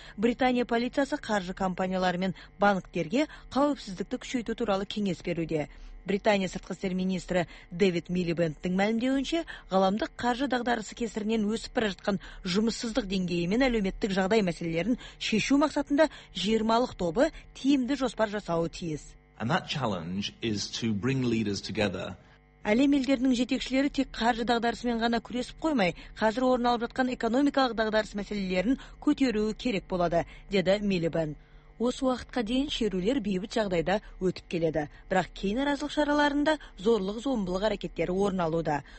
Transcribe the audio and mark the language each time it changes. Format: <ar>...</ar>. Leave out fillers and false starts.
<kk>Британия полициясы қаржы компаниялары мен банктерге қауіпсіздікті күшейту туралы кеңес беруде. Британия сыртқы істер министрі Дэвид Миллибендтің мәлімдеуінше, ғаламдық қаржы дағдарысы кесірінен өсіп бара жатқан жұмыссыздық деңгейі мен әлеуметтік жағдай мәселелерін шешу мақсатында 20-лық тобы тиімді жоспар жасауы тиіс.</kk> <en>And that challenge is to bring leaders together.</en> <kk>Әлем елдерінің жетекшілері тек қаржы дағдарысымен ғана күресіп қоймай, қазір орын алып жатқан экономикалық дағдарыс мәселелерін көтеруі керек болады, деді Миллибенд. Осы уақытқа дейін шерулер бейбіт жағдайда өтіп келеді, бірақ кейін наразылық шараларында зорлық-зомбылық әрекеттері орын алуда.</kk>